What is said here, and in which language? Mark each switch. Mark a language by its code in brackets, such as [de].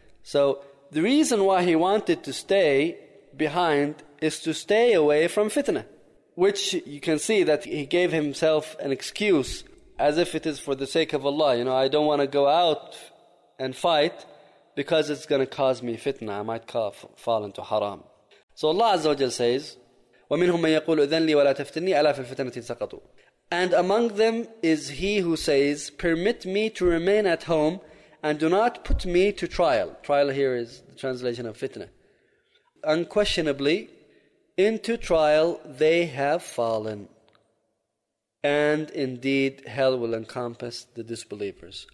[en] So the reason why he wanted to stay behind is to stay away from fitna. Which you can see that he gave himself an excuse as if it is for the sake of Allah. You know, I don't want to go out and fight because it's going to cause me fitna, I might fall into haram. So Allah Azza wa Jal says, [ar] وَمِنْهُمْ مَنْ يَقُولُ اُذَنْ لِي وَلَا تَفْتِنِّي أَلَا فِي الْفِتْنَةِ سَقَطُوا. [en] And among them is he who says, permit me to remain at home and do not put me to trial. Trial here is the translation of fitna. Unquestionably, into trial they have fallen. And indeed, hell will encompass the disbelievers.